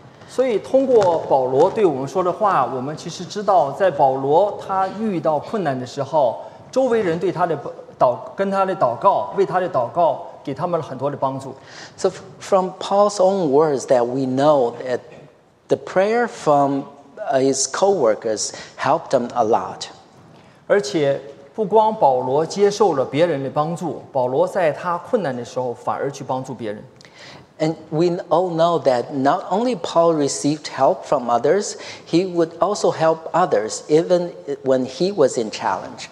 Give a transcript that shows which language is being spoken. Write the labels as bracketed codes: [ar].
[zh] 所以通过保罗对我们说的话，我们其实知道在保罗他遇到困难的时候，周围人对他的祷跟他的祷告为他的祷告给他们了很多的帮助。 [en] So from Paul's own words that we know that the prayer fromhis co-workers helped them a lot. [zh] 而且不光保罗接受了别人的帮助，保罗在他困难的时候反而去帮助别人。 [en] And we all know that not only Paul received help from others, he would also help others even when he was in challenge.